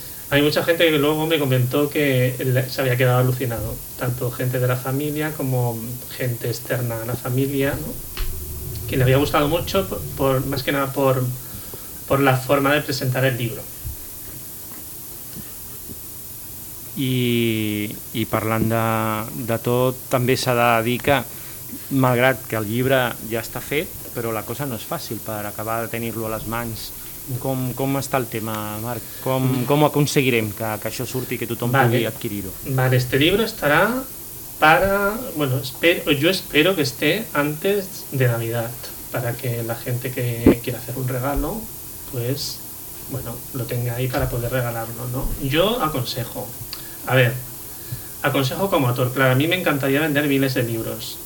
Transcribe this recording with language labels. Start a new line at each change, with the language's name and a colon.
Spanish: Hay mucha gente que luego me comentó que se había quedado alucinado, tanto gente de la familia como gente externa a la familia, ¿no? Que le había gustado mucho por más que nada por la forma de presentar el libro.
Catalan: I parlant de tot, també s'ha de dir que, malgrat que el llibre ja està fet, però la cosa no és fàcil per acabar de tenir-lo a les mans. Com està el tema, Marc? Com ho aconseguirem que això surti i que tothom pugui adquirir-ho?
Spanish: Vale, este libro estará para... Bueno, yo espero que esté antes de Navidad, para que la gente que quiera hacer un regalo, pues, bueno, lo tenga ahí para poder regalarlo, ¿no? Yo aconsejo, a ver, aconsejo como autor, claro, a mí me encantaría vender miles de libros.